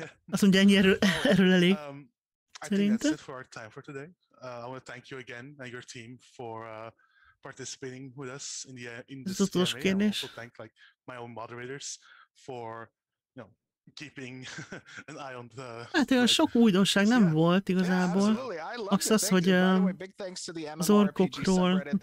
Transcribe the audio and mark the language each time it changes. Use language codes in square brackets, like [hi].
[hu] Azt mondja, ennyi erről elég. Szerintem. [en] That's it for our time for today. I want to thank you again and your team for participating with us in this [hu] game. Ez az utolsó kérdés. [en] I also thank like my own moderators for, you know, keeping an eye on the. [hu] Hát olyan sok újdonság nem volt igazából. Yeah, az, hogy az orkokról.